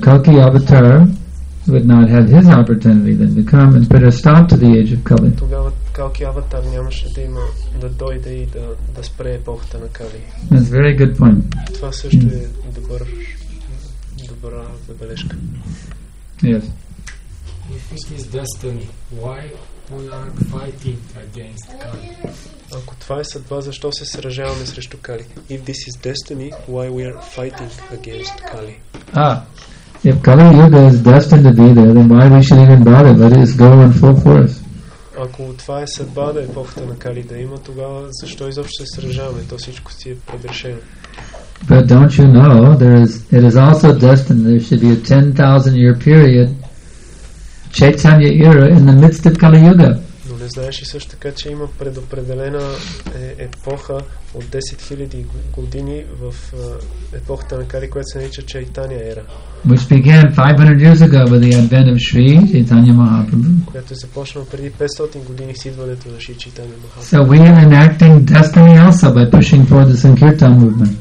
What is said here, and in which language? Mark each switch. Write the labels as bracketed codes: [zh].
[en] Kalki avatar would not have his opportunity then to come and put a stop to the age of Kali. [bg] Kalki avatar нямаше да има да дойде и да спре епохата на Кали. [en] That's a very good point. [bg] Това също е добра забележка. [en] Yes. If it is destiny, why we are fighting against Kali? [bg] Ако това е съдба, защо се сражаваме срещу Кали? [en] If this is destiny, why we are fighting against Kali? Ah, if Kali Yuga is destined to be there, then why we should even bother? Let it go in full force. [bg] Ако това е съдба да епохата на Кали да има, тогава защо изобщо се сражаваме? То всичко си е предрешено. [en] But don't you know, it is also destined there should be a 10,000 year period, Chaitanya era, in the midst of Kali Yuga. [bg] Знаеш ли също така, че има предопределена епоха от 10 000 години в епохата на Кали, която се нарича Чайтания ера. [en] Which began 500 years ago with the advent of Sri Chaitanya Mahaprabhu. [bg] Която е започнала преди 500 години с идването на Шри Чайтания Махапрабху. [en] So we are enacting destiny also by pushing for the Sankirtan movement.